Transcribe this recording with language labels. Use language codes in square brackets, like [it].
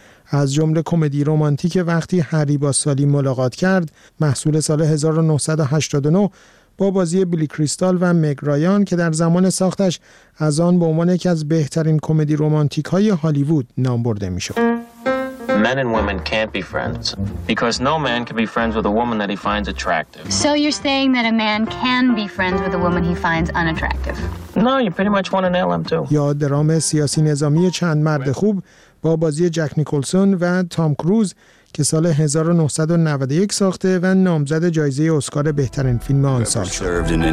[fa] از جمله کمدی رمانتیک وقتی هری با سالی ملاقات کرد، محصول سال 1989 با بازی بیلی کریستال و مگ رایان که در زمان ساختش از آن به عنوان یکی از بهترین کمدی رمانتیک‌های هالیوود نام برده می‌شد. [en] Men and women can't be friends because no man can be friends with a woman that he finds attractive. So you're saying that a man can be friends with a woman he finds unattractive. No, you pretty much want to nail him too. [fa] یا درام سیاسی نظامی چند مرد خوب با بازی جک نیکلسون و تام کروز که سال 1991 ساخته و نامزد جایزه اسکار بهترین فیلم آن سال شد.